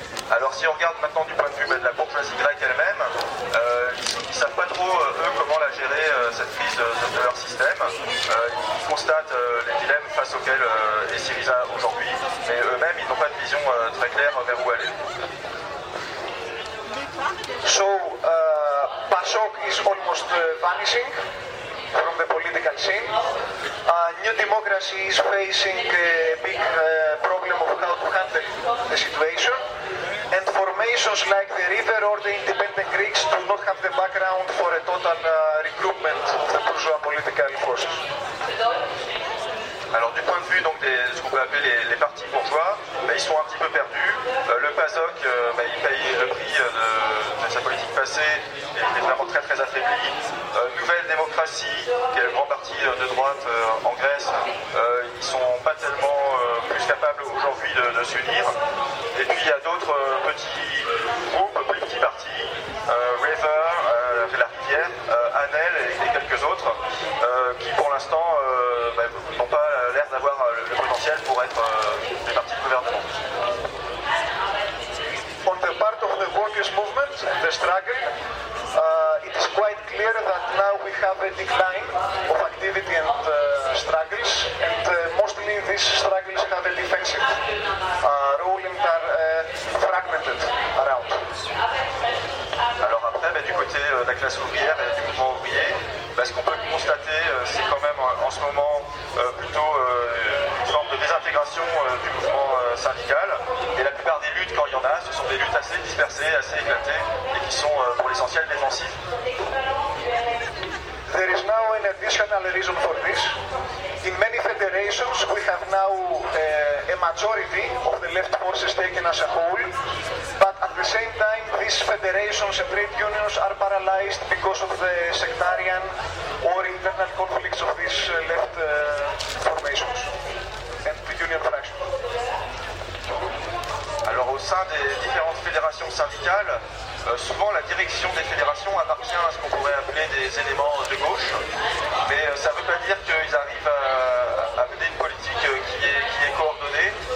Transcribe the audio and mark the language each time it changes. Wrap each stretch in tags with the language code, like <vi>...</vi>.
<fr>Alors, si on regarde maintenant du point de vue de la bourgeoisie grecque elle-même, ils savent pas trop eux comment la gérer cette crise de leur système. Ils constatent les dilemmes face auxquels est Syriza aujourd'hui, mais eux-mêmes ils n'ont pas de vision très claire vers où aller.</fr> <en>So, PASOK is almost vanishing from the political scene. New Democracy is facing a big problem of how to handle the situation. And formations like the River or the Independent Greeks do not have the background for a total regroupment of the bourgeois political forces.</en> <fr>Alors du point de vue donc de ce qu'on peut appeler les partis bourgeois, ils sont un petit peu perdus. Le PASOK, il paye le prix de sa politique passée, il est vraiment très très affaibli. Nouvelle Démocratie, qui est le grand parti de droite en Grèce, ils sont pas tellement plus capables aujourd'hui de s'unir. Et puis il y a d'autres petits groupes, plus petits partis, River, la Rivière, ANEL et quelques autres, qui pour l'instant n'ont pas l'air d'avoir le potentiel pour être des partis de gouvernement.</fr> <en>On the part of the workers' movement, the struggle, it is quite clear that now we have a decline of activity and struggles, and mostly these struggles have a defensive role and are fragmented around.</en> <fr>Alors après, du côté de la classe ouvrière et du mouvement ouvrier, ce qu'on peut constater, c'est quand même en ce moment plutôt une forme de désintégration du mouvement syndical. Et la plupart des luttes, quand il y en a, ce sont des luttes assez dispersées, assez éclatées, et qui sont pour l'essentiel défensives.</fr> <en>There is now an additional reason for this. In many federations, we have now a majority of the left forces taken as a whole. But at the same time, these federations and trade unions are paralyzed because of the sectarian or internal conflicts of these left formations and the union fraction.</en> <fr>Alors, au sein des différentes fédérations syndicales, souvent la direction des fédérations appartient à ce qu'on pourrait appeler des éléments de gauche, mais ça ne veut pas dire qu'ils arrivent à mener une politique qui est coordonnée.</fr>